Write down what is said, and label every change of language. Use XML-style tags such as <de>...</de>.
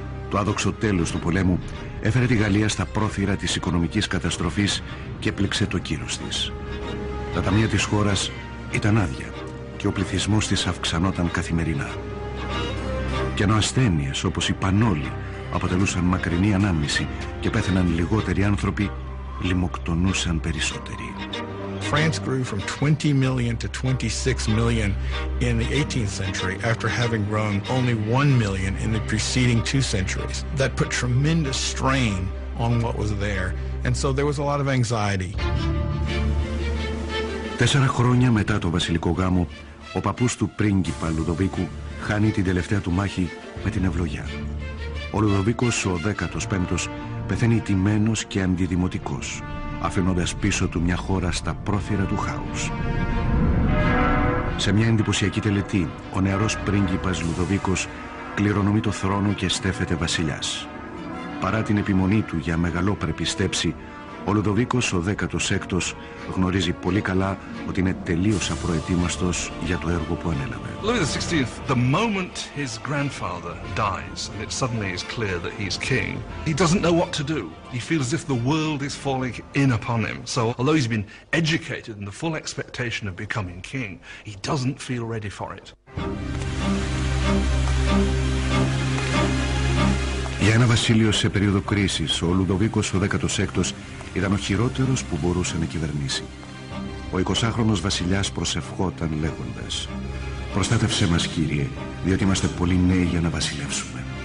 <el>Το άδοξο τέλος του πολέμου έφερε τη Γαλλία στα πρόθυρα της οικονομικής καταστροφής και έπληξε το κύρος της. Τα ταμεία της χώρας ήταν άδεια και ο πληθυσμός της αυξανόταν καθημερινά. Και ενώ ασθένειες όπως η πανόλη αποτελούσαν μακρινή ανάμνηση και πέθαιναν λιγότεροι άνθρωποι, λιμοκτονούσαν περισσότεροι.</el> <en>France grew from 20 million to 26 million in the 18th century after having grown only 1 million in the preceding two centuries. That put tremendous strain on what was there, and so there was a lot of anxiety.</en> <el>4 χρόνια μετά το βασιλικό γάμο, ο παππούς του πρίγκιπα Λουδοβίκου χάνει την τελευταία του μάχη με την ευλογιά. Ο Λουδοβίκος, ο 15ος, πεθαίνει τιμένος και αντιδημοτικός, αφήνοντας πίσω του μια χώρα στα πρόθυρα του χάους. Σε μια εντυπωσιακή τελετή, ο νεαρός πρίγκιπας Λουδοβίκος κληρονομεί το θρόνο και στέφεται βασιλιάς. Παρά την επιμονή του για μεγαλόπρεπη στέψη, ο Λουδοβίκος, ο 16ος, γνωρίζει πολύ καλά ότι είναι τελείως απροετοίμαστος για το έργο που ανέλαβε.</el> <en>Louis XVI, the moment his grandfather dies and it suddenly is clear that he's king, he doesn't know what to do. He feels as if the world is falling in upon him. So although he's been educated in the full expectation of becoming king, he doesn't feel ready for it.</en> <el>Για ένα βασίλειο σε περίοδο κρίσης, ο Λουδοβίκος, ο 16ος, ήταν ο χειρότερος που μπορούσε να κυβερνήσει. Ο 20χρονος βασιλιάς προσευχόταν λέγοντας: «Προστάτευσέ μας, Κύριε, διότι είμαστε πολύ νέοι για να βασιλεύσουμε».</el>